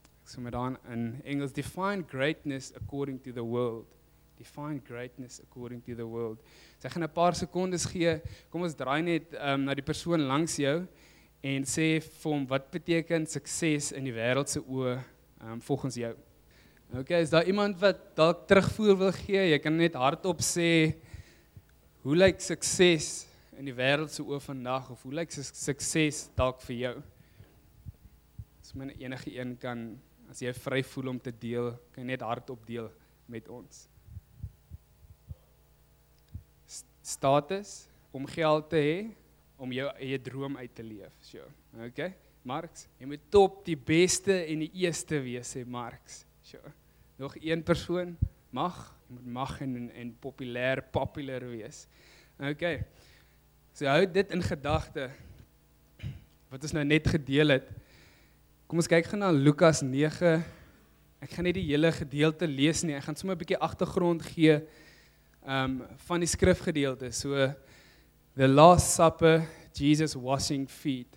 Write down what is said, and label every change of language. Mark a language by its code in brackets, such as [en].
[af] Ek sê met dan in Engels, [en] define greatness according to the world. Define greatness according to the world. [af] Sy gaan 'n paar sekondes gee, kom ons draai net na die persoon langs jou en sê vir hom, wat beteken sukses in die wêreldse oë volgens jou? Ok, is daar iemand wat dalk terugvoer wil gee? Jy kan net hardop sê, hoe lyk sukses in die wêreldse oë vandag, of hoe lyk sukses dalk vir jou? As my enige een kan, as jy vry voel om te deel, kan jy net hardop deel met ons. Status, om geld te hê, om jou droom uit te leef. So, ok, Marx, jy moet top die beste en die eerste wees, sê Marx. So, nog een persoon, mag, jy moet mag en populair wees. Ok, so hou dit in gedagte, wat ons nou net gedeel het. Kom ons kyk gaan na Lukas 9, ek gaan nie die hele gedeelte lees nie, ek gaan sommer 'n bietjie agtergrond gee, van die skrifgedeelte, so [en] the last supper, Jesus washing feet.